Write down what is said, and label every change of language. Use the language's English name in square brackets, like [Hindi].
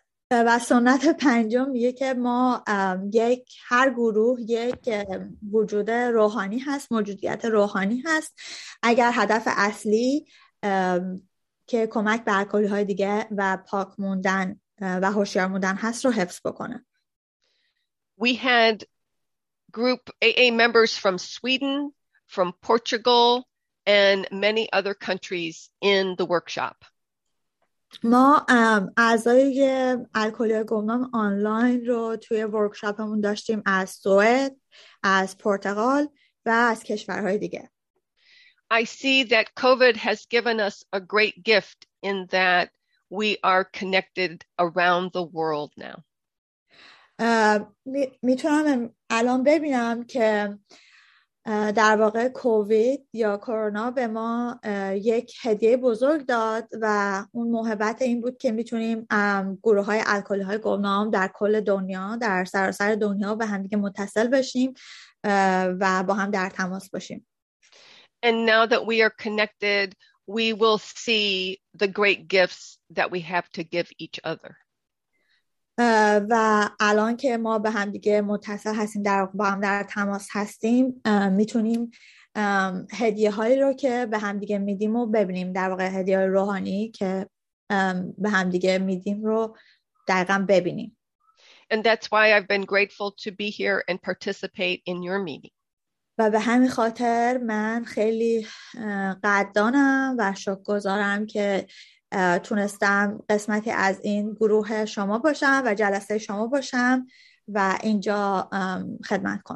[Persian] و سنت پنجم میگه که ما یک هر گروه یک وجود روحانی هست، موجودیت روحانی هست اگر هدف اصلی که کمک به الکلی های دیگه و پاک موندن و هوشیار موندن هست رو حفظ بکنه. [English] We had group AA members from Sweden, from Portugal, and many other countries in the workshop. [Persian] ما اعضای الکلی‌های گمنام آنلاین رو توی ورکشاپمون داشتیم از سوئد، از پرتغال و از کشورهای دیگه. [English] I see that COVID has given us a great gift in that we are connected around the world now. [Persian] میتونم الان ببینم که در واقع کووید یا کرونا به ما یک هدیه بزرگ داد و اون محبت این بود که میتونیم گروه های الکلی های گمنام در کل دنیا، در سراسر دنیا به همدیگه متصل بشیم و با هم در تماس باشیم. [English] And now that we are connected, we will see the great gifts that we have to give each other. [Persian] و الان که ما به هم دیگه متصل هستیم، در با هم در تماس هستیم، میتونیم هدیه هایی رو که به هم دیگه میدیم و ببینیم، در واقع هدیه های روحانی که به هم دیگه میدیم رو دقیقا ببینیم. [English] And that's why I've been grateful to be here and participate in your meeting. [Persian] و به همین خاطر من خیلی قدردانم و شکرگزارم که تونستم قسمتی از این گروه شما باشم و جلسه شما باشم و اینجا خدمت کنم.